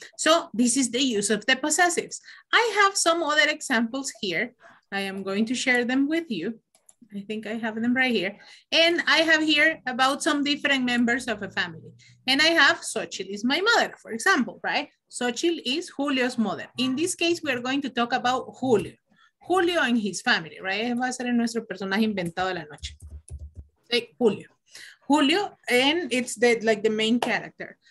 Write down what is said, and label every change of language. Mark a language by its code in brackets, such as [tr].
[en] So this is the use of the possessives. I have some other examples here. I am going to share them with you. I think I have them right here. And I have here about some different members of a family. And I have Xochitl is my mother, for example, right? Xochitl is Julio's mother. In this case, we are going to talk about Julio. Julio and his family, right? [es] Va a ser nuestro personaje inventado de la noche. [en] Hey, Julio. Julio, and it's the like the main character.